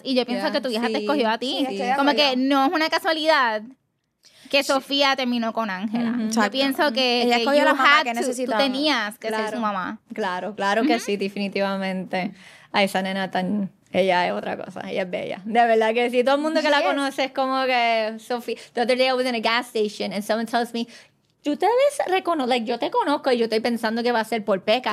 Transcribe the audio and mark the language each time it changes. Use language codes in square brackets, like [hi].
[es] Y yo pienso que tu hija te escogió a ti. Como que no es una casualidad que Sofía terminó con Ángela. Mm-hmm. Yo pienso que... Ella escogió la mamá que necesitaba. Tú tenías que ser su mamá. Claro, claro que sí, definitivamente. A esa nena tan... Ella es otra cosa, ella es bella. De verdad que sí, todo el mundo que la conoce es como que Sophie. [en] The other day I was in a gas station and someone tells me, [es] ¿tú te ves reconoce? Like, yo te conozco y yo estoy pensando que va a ser por Peca.